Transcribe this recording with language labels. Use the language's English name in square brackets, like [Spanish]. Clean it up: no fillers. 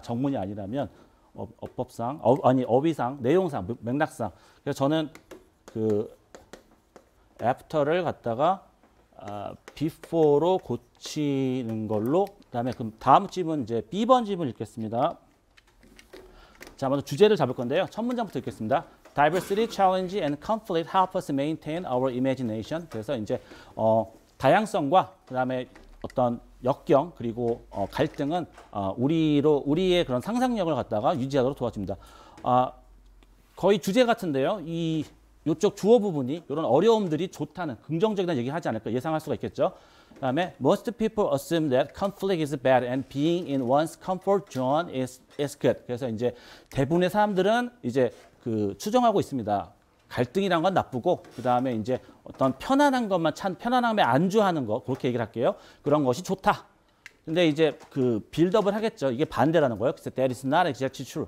[Korean] 정문이 아니라면 어휘상, 내용상, 맥락상. 그래서 저는 그 after를 갖다가 before로 고치는 걸로 그다음에 그럼 다음 질문 이제 B번 질문 읽겠습니다. 자, 먼저 주제를 잡을 건데요. 첫 문장부터 읽겠습니다. [English] Diversity, challenge, and conflict help us maintain our imagination. [Korean] 그래서 이제 다양성과 그 다음에 어떤 역경 그리고 갈등은 우리의 그런 상상력을 갖다가 유지하도록 도와줍니다. 거의 주제 같은데요. 이쪽 주어 부분이 이런 어려움들이 좋다는 긍정적인 얘기 하지 않을까 예상할 수가 있겠죠. 다음에 [English] most people assume that conflict is bad and being in one's comfort zone is good. [Korean] 그래서 이제 대부분의 사람들은 이제 그 추정하고 있습니다. 갈등이란 건 나쁘고 그다음에 이제 어떤 편안한 것만 찬 편안함에 안주하는 거 그렇게 얘기를 할게요. 그런 것이 좋다. 근데 이제 그 빌드업을 하겠죠. 이게 반대라는 거예요. 그래서 [English] that is not exactly true.